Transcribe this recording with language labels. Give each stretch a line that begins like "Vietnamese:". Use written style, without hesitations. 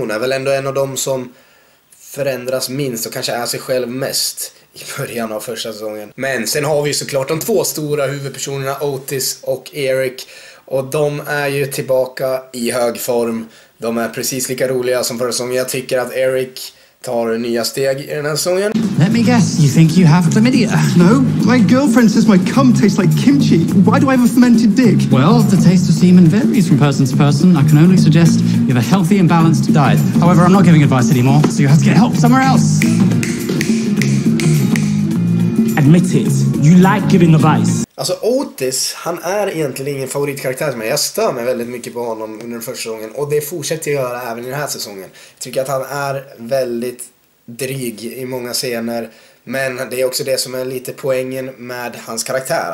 Swedish: Hon är väl ändå en av dem som förändras minst och kanske är sig själv mest i början av första säsongen. Men sen har vi ju såklart de två stora huvudpersonerna, Otis och Eric. Och de är ju tillbaka i hög form. De är precis lika roliga som förra säsongen. Jag tycker att Eric tar nya steg i den här säsongen.
English: Let me guess. You think you have chlamydia? No. My girlfriend says my cum tastes like kimchi. Why do I have a fermented dick? Well, the taste of semen varies from person to person. I can only suggest you have a healthy and balanced diet. However, I'm not giving advice anymore, so you have to get help somewhere else. admit it. You like giving advice.
Swedish: Alltså Otis, han är egentligen ingen favoritkaraktär som jag stör mig väldigt mycket på honom under den första säsongen. Och det fortsätter jag göra även i den här säsongen. Jag tycker att han är väldigt dryg i många scener. Men det är också det som är lite poängen med hans karaktär.